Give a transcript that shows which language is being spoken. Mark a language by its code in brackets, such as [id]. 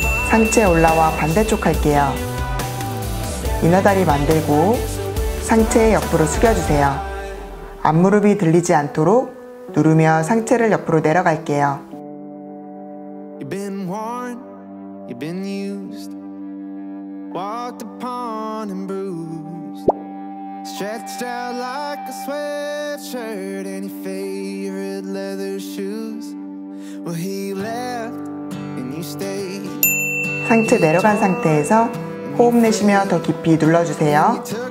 [ko] 상체 올라와 반대쪽 할게요. 이너다리 만들고 상체 옆으로 숙여주세요. 앞무릎이 들리지 않도록 누르며 상체를 옆으로 내려갈게요. [en] You've been worn, you've been used, walked upon and bruised, stretched out like a sweatshirt and your favorite leather shoes. Well, he left and you stayed. [ko] 상체 내려간 상태에서 호흡 내쉬며 더 깊이 눌러주세요.